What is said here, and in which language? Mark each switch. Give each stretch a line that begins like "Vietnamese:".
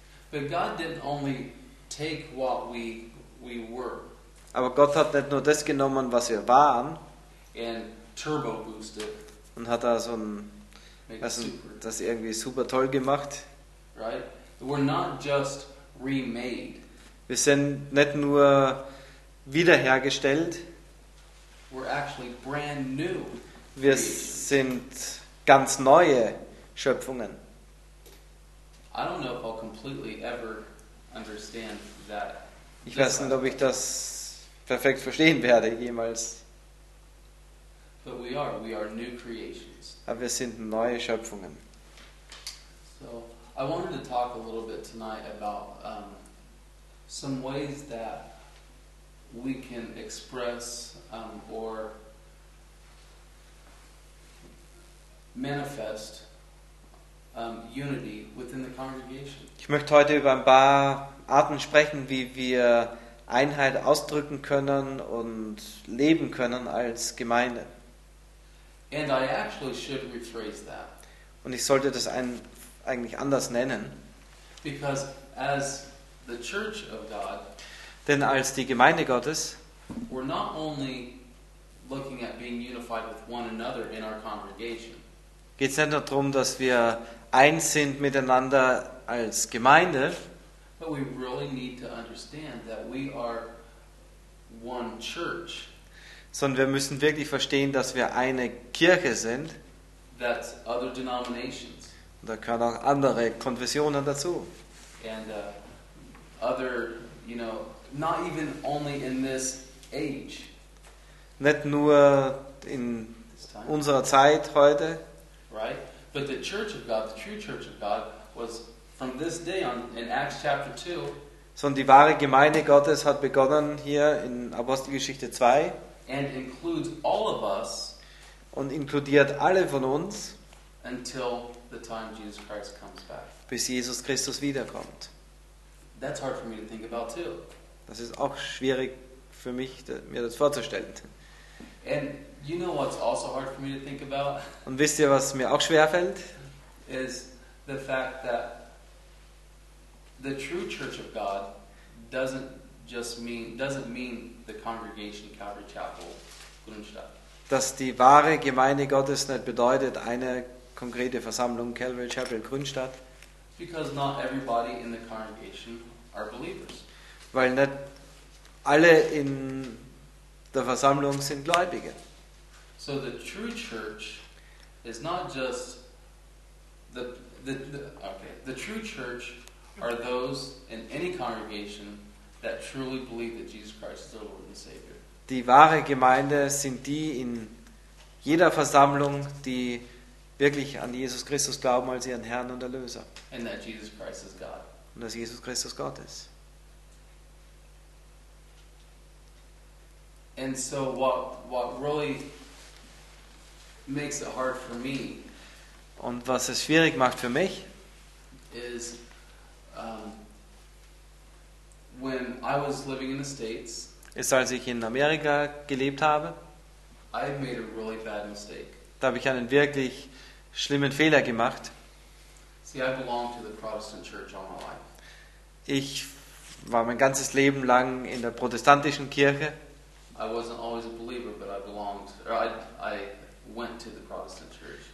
English: But God didn't only take what we were.
German: Aber Gott hat nicht nur das genommen, was wir waren,
English: and turbo boosted,
German: und hat da so ein, also, das irgendwie super toll gemacht.
English: Right? We're not just remade.
German: Wir sind nicht nur wiederhergestellt.
English: We're actually brand new.
German: Wir sind ganz neue Schöpfungen.
English: I don't know if I'll completely ever understand that.
German: Ich weiß nicht, ob ich das perfekt verstehen werde jemals.
English: But we are new creations.
German: Aber wir sind neue Schöpfungen.
English: So, I wanted to talk a little bit tonight about some ways that we can express or manifest unity within the congregation.
German: Ich möchte heute über ein paar Arten sprechen, wie wir Einheit ausdrücken können und leben können als Gemeinde.
English: And I actually should rephrase that.
German: Und ich sollte das eigentlich anders nennen.
English: Because as the Church of God,
German: denn als die Gemeinde Gottes,
English: we're not only looking at being unified with one another in our congregation.
German: Geht's nicht nur darum, dass wir eins sind miteinander als Gemeinde.
English: But we really need to understand that we are one church.
German: Sondern wir müssen wirklich verstehen, dass wir eine Kirche sind.
English: That's other denominations.
German: Da gehören auch andere Konfessionen dazu.
English: And other, you know, not even only in this age.
German: Nicht nur in unserer Zeit heute.
English: Right? But the Church of God, the true Church of God, was from this day on in Acts chapter 2.
German: So, und die wahre Gemeinde Gottes hat begonnen hier in Apostelgeschichte 2.
English: And includes all of us.
German: Und inkludiert alle von uns.
English: Until the time Jesus Christ comes back.
German: Bis Jesus Christus wiederkommt.
English: That's hard for me to think about too.
German: Das ist auch schwierig für mich, mir das vorzustellen.
English: And you know what's also hard for me to think about?
German: Und wisst ihr, was mir auch schwer fällt?
English: Is the fact that the true Church of God doesn't mean the congregation Calvary Chapel Gründstadt.
German: Dass die wahre Gemeinde Gottes nicht bedeutet eine konkrete Versammlung Calvary Chapel Gründstadt.
English: Because not everybody in the congregation are believers.
German: Weil nicht alle in der Versammlung sind Gläubige.
English: So the true church is not just the true church are those in any congregation that truly believe that Jesus Christ is their Lord and Savior.
German: Die wahre Gemeinde sind die in jeder Versammlung, die wirklich an Jesus Christus glauben als ihren Herrn und Erlöser.
English: And that Jesus Christ is God.
German: Und dass Jesus Christus Gott ist.
English: And so what really makes it hard for me,
German: und was es schwierig macht für mich, ist,
English: when I was living in the States,
German: ist, als ich in Amerika gelebt habe,
English: I've made a really bad mistake.
German: Da habe ich einen wirklich schlimmen Fehler gemacht.
English: See, I belong to the Protestant Church all my life.
German: Ich war mein ganzes Leben lang in der protestantischen Kirche.
English: I wasn't always a believer, but I belonged, or I went to the Protestant Church.